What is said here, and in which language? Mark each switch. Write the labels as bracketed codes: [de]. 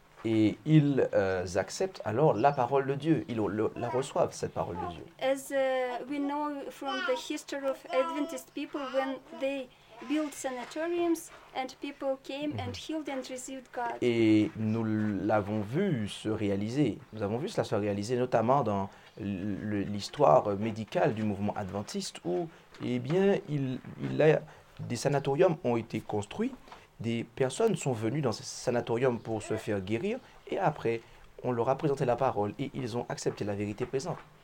[fr] Et ils acceptent alors la parole de Dieu. Ils la reçoivent cette parole de Dieu. [en] As we know from the history of Adventist people, when they built sanatoriums and people came and healed and received God. [fr] Et nous l'avons vu se réaliser. Nous avons vu cela se réaliser notamment dans l'histoire médicale du mouvement adventiste où eh bien des sanatoriums ont été construits, des personnes sont venues dans ces sanatoriums pour se faire guérir et après on leur a présenté la parole et ils ont accepté la vérité présente.